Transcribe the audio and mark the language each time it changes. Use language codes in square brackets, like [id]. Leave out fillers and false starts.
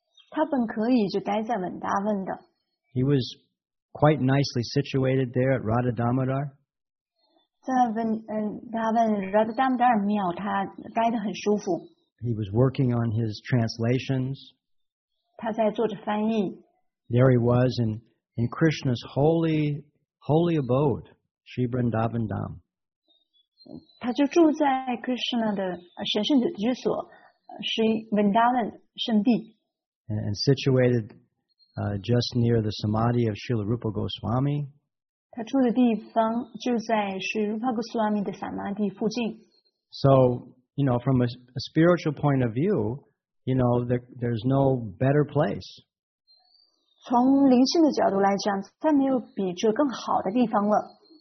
[zh] 他本可以就待在文达文的。 [en] He was quite nicely situated there at Radha Damodar. [zh] 在文达文 Radha Damodar 庙，他待得很舒服。 [en] He was working on his translations. [zh] 他在做着翻译。 [en] There he was in Krishna's holy abode, Sri Vrindavan Dham. [zh] 他就住在 Krishna 的神圣的居所。是 Vrindavan 圣地 [en] and situated just near the samadhi of Srila Rupa Goswami. [zh] 他住的地方就在 Srila Rupa Goswami 的 samadhi 附近。 [en] So, you know, from a spiritual point of view, you know, there's no better place. [zh] 从灵性的角度来讲，再没有比这更好的地方了。